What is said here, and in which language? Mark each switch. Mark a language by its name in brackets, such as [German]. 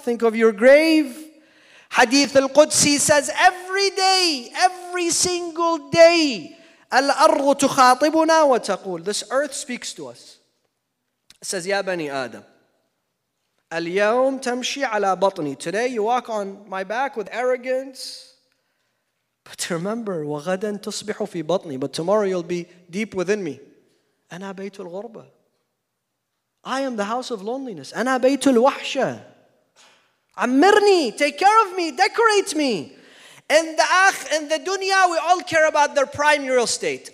[English] Think of your grave. Hadith al-Qudsi says, every day, every single day, [Arabic] al-arru tukhatibuna wa taqul. [English] This earth speaks to us. It says, [Arabic] Ya Bani Adam, اليوم تمشي على بطني. [English] Today you walk on my back with arrogance. But remember, [Arabic] وغدا تصبح في بطني. [English] But tomorrow you'll be deep within me. [Arabic] أنا بيت الغربة. [English] I am the house of loneliness. [Arabic] أنا بيت الوحشة. عمرني. [English] Take care of me. Decorate me. In the dunya, we all care about their prime real estate.